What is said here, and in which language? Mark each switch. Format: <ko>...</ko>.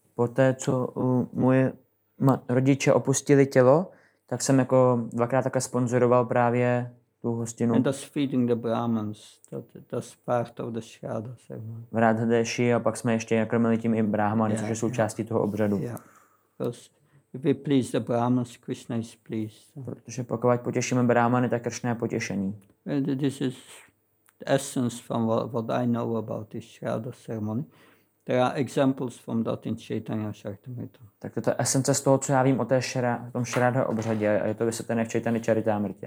<cs>Poté, co moje rodiče opustili tělo, tak jsem jako dvakrát také sponzoroval právě tu hostinu.</cs> <en>And that's feeding the Brahmins, that's part of the shraddha ceremony.</en> <cs>V Radhadeshi a pak jsme ještě nakrmili tím i Brahmany, což je součástí toho obřadu.</cs> <en>Yeah. Because we please the Brahmins, Krishna is pleased.</en> <cs>Protože pokud potěšíme Brahmany, tak Krishna je potěšený.</cs> <en>And this is the essence from what I know about this Shraddha ceremony. There are examples from that in Chaitanya Charitamrita.</en> <cs>Tak to je esence z toho, co já vím o té Shraddha obřadě, a je to vysvětlené v Chaitanya Charitamrita.</cs>